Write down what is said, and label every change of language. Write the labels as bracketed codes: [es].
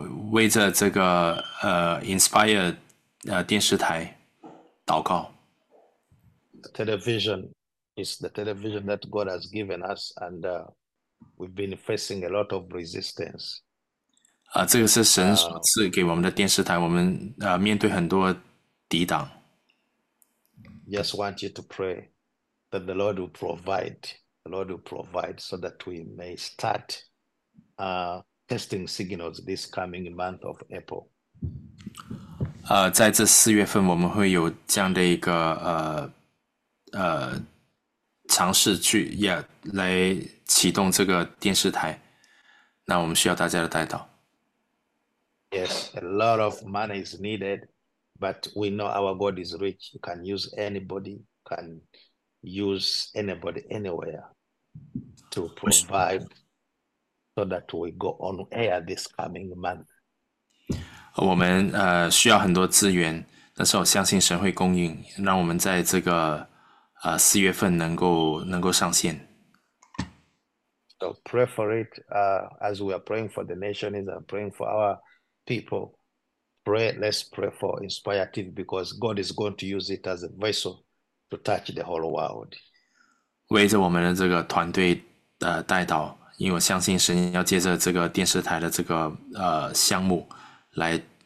[zh] 为着这个Inspire 电视台祷告。 [en] The television is the television that God has given us, and we've been facing a lot of resistance. [zh] 这个是神所赐给我们的电视台，我们面对很多抵挡。 [en] Just want you to pray that the Lord will provide. The Lord will provide so that we may start testing signals this coming month of April. [zh] 在这4月份，我们会有这样的一个尝试去也、yeah, 来启动这个电视台，那我们需要大家的带导。 [en] Yes, a lot of money is needed, but we know our God is rich. You can use anybody, can use anybody anywhere. To provide so that we go on air this coming month. [zh] 我们需要很多资源，但是我相信神会供应，让我们在这个4月份能够上线。 [en] So pray for it as we are praying for the nations and praying for our people. Pray, let's pray for Inspire TV because God is going to use it as a vessel to touch the whole world. [zh] 为着我们的这个团队的带导，因为我相信神要借着这个电视台的这个项目来。